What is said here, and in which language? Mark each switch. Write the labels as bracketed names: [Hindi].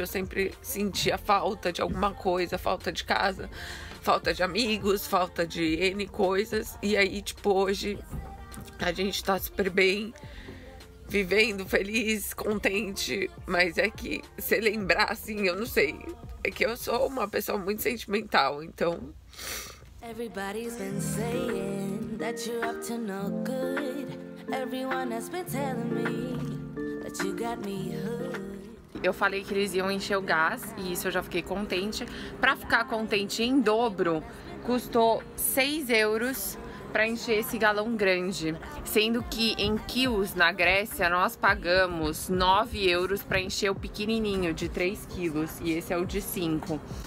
[Portuguese] Eu sempre sentia falta de alguma coisa, falta de casa, falta de amigos, falta de N coisas. E aí, tipo, hoje a gente tá super bem, vivendo feliz, contente, mas é que se lembrar assim, eu não sei. É que eu sou uma pessoa muito sentimental, então. [English] Everybody's been saying that you're up to no good. Everyone has been telling me that you got me hooked. [Portuguese] Eu falei que eles iam encher o gás e isso eu já fiquei contente. Pra ficar contente em dobro, custou 6 euros. Para encher esse galão grande, sendo que em quilos na Grécia nós pagamos 9 euros para encher o pequenininho de 3 quilos e esse é o de 5.